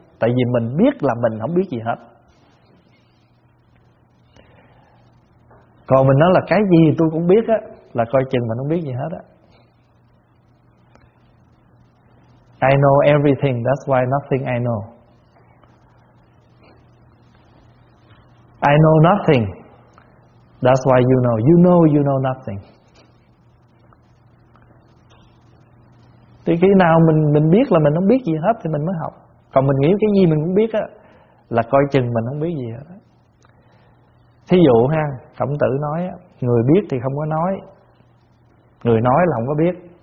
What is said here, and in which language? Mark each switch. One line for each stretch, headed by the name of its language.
Vietnamese: Tại vì mình biết là mình không biết gì hết. Còn mình nói là cái gì tôi cũng biết á, là coi chừng mình không biết gì hết á.
English: I know everything, that's why nothing I know. I know nothing, that's why you know. You know you know nothing.
Vietnamese: Thì khi nào mình biết là mình không biết gì hết thì mình mới học. Còn mình nghĩ cái gì mình cũng biết á, là coi chừng mình không biết gì hết á. Thí dụ ha, Khổng Tử nói người biết thì không có nói, người nói là không có biết.